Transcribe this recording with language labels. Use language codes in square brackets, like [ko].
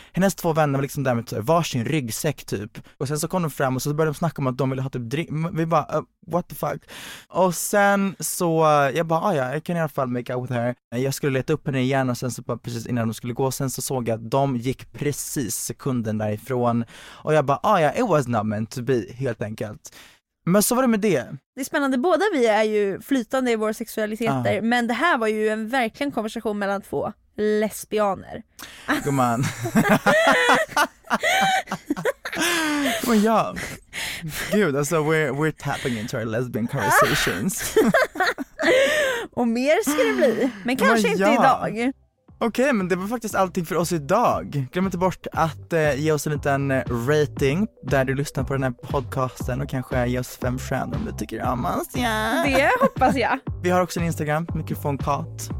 [sv] Hennes två vänner var liksom där med varsin ryggsäck typ. Och sen så kom de fram och så började de snacka om att de ville ha typ drink. Vi bara, [en] what the fuck. [sv] Och sen så, jag bara, ja, jag kan i alla fall [en] make out with her. [sv] Jag skulle leta upp henne igen och sen så bara precis innan de skulle gå. Sen så såg jag att de gick precis sekunden därifrån. Och jag bara, ja, [en] it was not meant to be, [sv] helt enkelt. Men så var det med det. Det är spännande, båda vi är ju flytande i våra sexualiteter. Men det här var ju en verkligen konversation mellan två lesbianer. [en] God man. [sv] Men ja. Gud, alltså [en] we're tapping into our lesbian conversations. [sv] Och mer ska det bli. Men kanske inte idag. Okej, men det var faktiskt allting för oss idag. Glöm inte bort att ge oss en liten rating där du lyssnar på den här podcasten, och kanske ge oss 5 stjärnor om du tycker om oss. Det hoppas jag. Vi har också en Instagram, mikrofonkat.